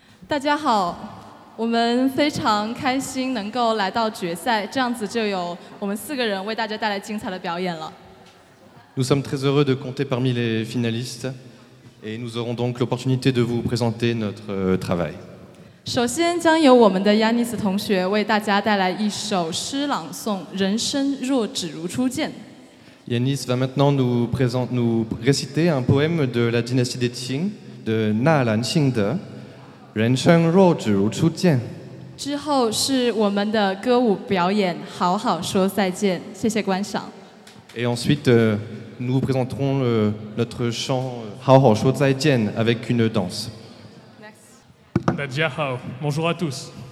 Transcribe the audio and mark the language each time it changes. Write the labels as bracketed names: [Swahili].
[Chinese] 大家好，我们非常开心能够来到决赛，这样子就有我们四个人为大家带来精彩的表演了。 [French] Nous sommes très heureux de compter parmi les finalistes et nous aurons donc l'opportunité de vous présenter notre travail. [Chinese] 首先将由我们的亚尼斯同学为大家带来一首诗朗诵《人生若只如初见》。 [French] Yanis va maintenant nous réciter un poème de la dynastie des Qing de Na Lan Xing De, Ren Sheng Ruo Zhi Ru Chu Jian. [Chinese] 之后是我们的歌舞表演《好好说再见》，谢谢观赏。 [French] Et ensuite, nous vous présenterons notre chant《好好说再见》avec une danse. [English] Next. [Chinese] 大家好 [French] ，Bonjour à tous.